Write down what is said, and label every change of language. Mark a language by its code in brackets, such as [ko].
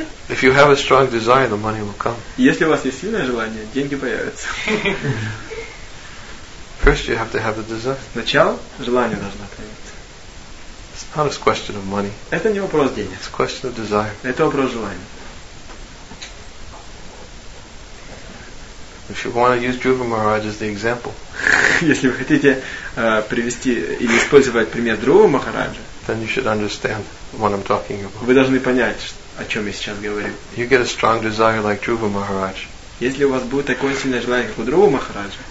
[en] If you have a strong desire, the money will come. [ru] Если у вас есть сильное желание, деньги появятся. [en] First, you have to have the desire. [ru] Сначала желание должно появиться. [en] It's not a question of money. [ru] Это не вопрос денег. [en] It's a question of desire. [ru] Это вопрос желания. [en] If you want to use Dhruva Maharaj as the example, [ru] если вы хотите привести или использовать пример Дхрувы Махараджа, [en] then you should understand what I'm talking about. [ru] Вы должны понять, о чем я сейчас говорю. [en] You get a strong desire like Dhruva Maharaj. [ru] Если у вас будет такое сильное желание, как у другого Махараджа,